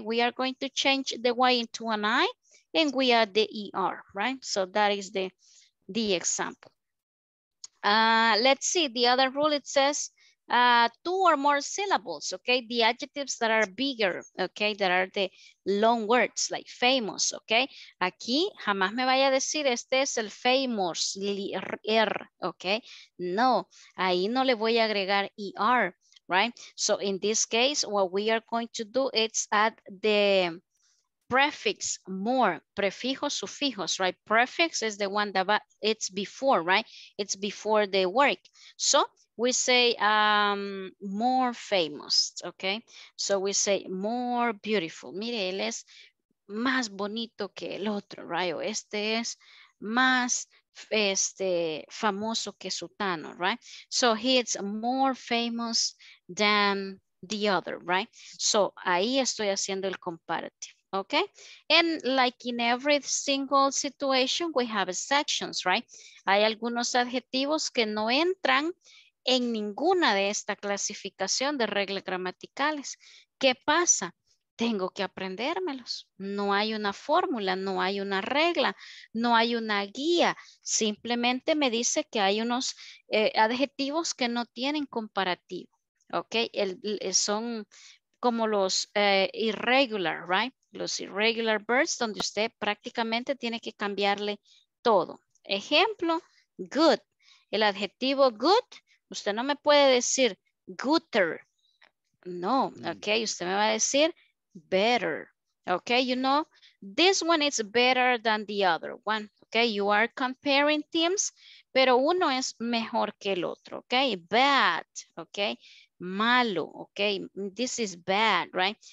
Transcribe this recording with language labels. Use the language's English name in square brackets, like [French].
[English] We are going to change the Y into an I and we add the ER, right? So that is the example. Let's see the other rule. It says two or more syllables, okay? The adjectives that are bigger, okay? That are the long words, like famous, okay? [Spanish] Aquí jamás me vaya a decir este es el famous, okay? No, ahí no le voy a agregar ER, right? [English] So in this case, what we are going to do is add the prefix more, [Spanish] prefijos, sufijos, [English] right? Prefix is the one that it's before, right? It's before the word. So we say more famous, okay? So we say more beautiful. [Spanish] Mire, él es más bonito que el otro, right? O este es más famoso que Sutano, right? [English] So he's more famous than the other, right? So [Spanish] ahí estoy haciendo el comparativo. [English] Okay, and like in every single situation, we have exceptions, right? [Spanish] Hay algunos adjetivos que no entran en ninguna de esta clasificación de reglas gramaticales. ¿Qué pasa? tengo que aprendérmelos. No hay una fórmula, no hay una regla, no hay una guía. Simplemente me dice que hay unos adjetivos que no tienen comparativo. Ok, son como los irregular, right? Los [English] irregular verbs, [Spanish] donde usted prácticamente tiene que cambiarle todo. Ejemplo, good. El adjetivo good, usted no me puede decir gooder. No, ok, usted me va a decir better. [English] Ok, you know, this one is better than the other one. [Spanish] Ok, [English] you are comparing teams, [Spanish] pero uno es mejor que el otro. [English] Ok, bad, ok, malo, ok, this is bad, right?